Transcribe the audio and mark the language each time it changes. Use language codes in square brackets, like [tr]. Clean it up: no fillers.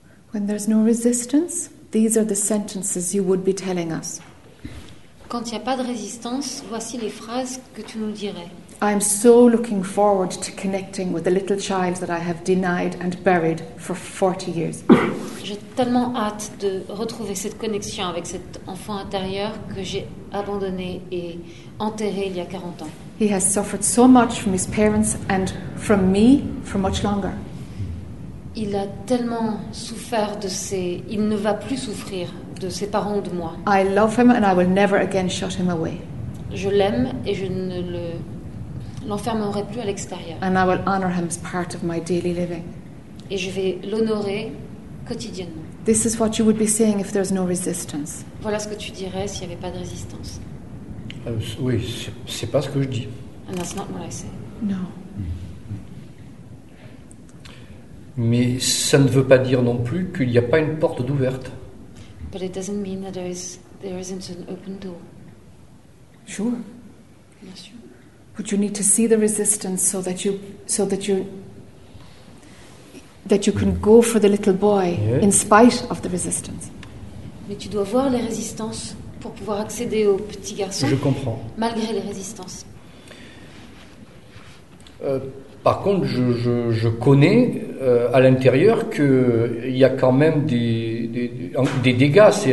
[en] When there's no resistance, these are the sentences you would be telling us. [fr] Quand il n'y a pas de résistance, voici les phrases que tu nous dirais. [en] I'm so looking forward to connecting with the little child that I have denied and buried for 40 years. [fr] J'ai tellement hâte de retrouver cette connexion avec cet enfant intérieur que j'ai abandonné et enterré il y a 40 ans. [en] He has suffered so much from his parents and from me for much longer. [fr] Il a tellement souffert de ses... Il ne va plus souffrir de ses parents ou de moi. [en] I love him and I will never again shut him away. [fr] Je l'aime et je ne le... l'enfermerai plus à l'extérieur. [en] And I will honor him as part of my daily living. [fr] Et je vais l'honorer quotidiennement. [en] This is what you would be saying if there's no resistance. [fr] Voilà ce que tu dirais s'il n'y avait pas de résistance. Oui, c'est pas ce que je dis. [en] And that's not what I say. No. [fr] Mais ça ne veut pas dire non plus qu'il n'y a pas une porte d'ouverte. [en] But it doesn't mean that there isn't an open door. Sure. [fr] Bien sûr. [en] But you need to see the resistance so that you can go for the little boy in spite of the resistance. [fr] Mais tu dois voir les résistances pour pouvoir accéder au petit garçon. Je comprends. Malgré les résistances. Par contre, je connais à l'intérieur que il y a quand même des dégâts.